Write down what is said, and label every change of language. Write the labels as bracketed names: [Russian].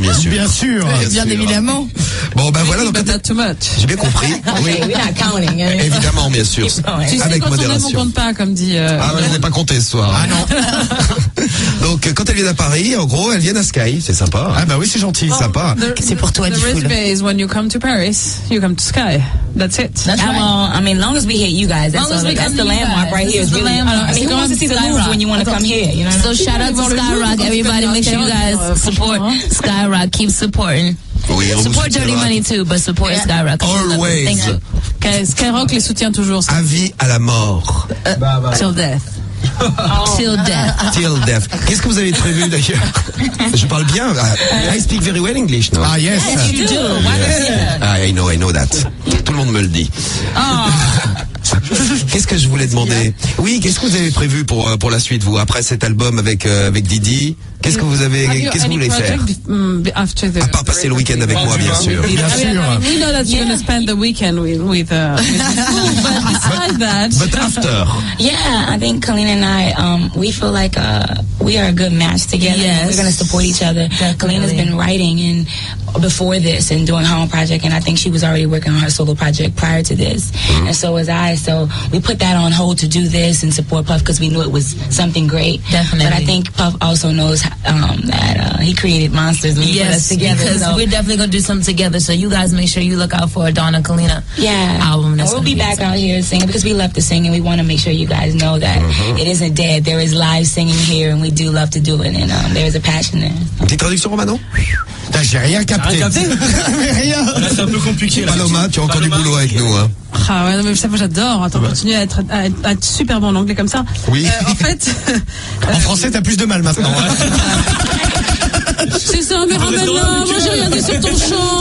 [French] Bien sûr. Bien évidemment. Bon, ben voilà. [English] Donc, not too much. [French] J'ai bien compris. [English] Oui, we're not counting. [French] Évidemment, bien sûr. Tu sais, avec modération. On ne compte pas, comme dit. Ah, mais on n'est pas compté ce soir. Ah non. Donc, quand elles viennent à Paris, en gros, elles viennent à Sky. C'est sympa. Ah, ben oui, c'est gentil. Well, sympa. C'est pour toi, Diffoul. [English] The risk is when you come to Paris, you come to Sky. That's it. That's right. Well, I mean, long as we hit you guys, that's the landmark right here. The landmark. I mean, who wants to see the Louvre when you want to come here? You know. So shout out to Skyrock, everybody. Make sure you guys support. Skyrock, keep supporting. [French] Oui, [English] support Dirty Money too, but support Skyrock. Always. Thank you. [French] Skyrock les soutient toujours. À vie, à la mort. [English] Till death. Till death. [French] Qu'est-ce que vous avez prévu d'ailleurs? Je parle bien. [English] I speak very well English, no? Ah, yes. Yes, you do. Why yes. I know that. [French] Tout le monde me le dit. Oh. Qu'est-ce que je voulais demander? Oui, qu'est-ce que vous avez prévu pour la suite, vous, après cet album avec Diddy? Qu'est-ce que vous avez, qu'est-ce que vous voulez faire? [English] After [French] à part passer le week-end avec moi, bien sûr. Bien sûr. [English] We know that you're going to spend the weekend with school, but after. Yeah, I think Colleen and I, we feel like we are a good match together. Yes. We're going to support each other. Colleen has been writing and before this and doing her own project, and I think she was already working on her solo project prior to this, and so was I. So we put that on hold to do this and support Puff because we knew it was something great. Definitely. But I think Puff also knows that he created monsters when he put us together. Yes, because we're definitely going to do something together. So you guys make sure you look out for a Donna Kalina album. And we'll be back out here singing because we love to sing and we want to make sure you guys know that it isn't dead. There is live singing here and we do love to do it, and there is a passion there. [French] Petite traduction, Romano? J'ai rien capté. C'est un peu compliqué là. Paloma, tu as encore du boulot avec nous, hein. Ah ouais, non, mais ça, moi j'adore. Attends, continue à être super bon en anglais comme ça. Oui. En fait, en français, t'as plus de mal maintenant. Ouais. C'est ça, mais ramène-la. Moi, j'ai rien dit sur ton chant.